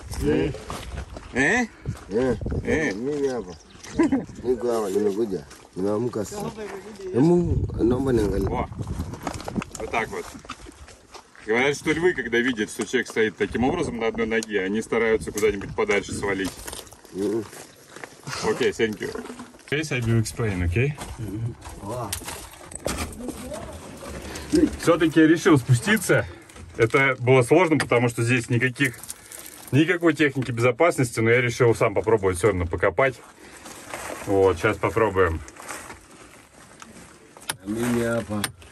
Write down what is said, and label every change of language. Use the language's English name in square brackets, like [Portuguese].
[Russian] Вот так вот. Говорят, что львы, когда видят, что человек стоит таким образом на одной ноге, они стараются куда-нибудь подальше свалить. [English] Окей, thank you. Please, I will explain, okay? [Russian] Все-таки решил спуститься. Это было сложно, потому что здесь никакой техники безопасности, но я решил сам попробовать все равно покопать. Вот, сейчас попробуем. Миньяпа.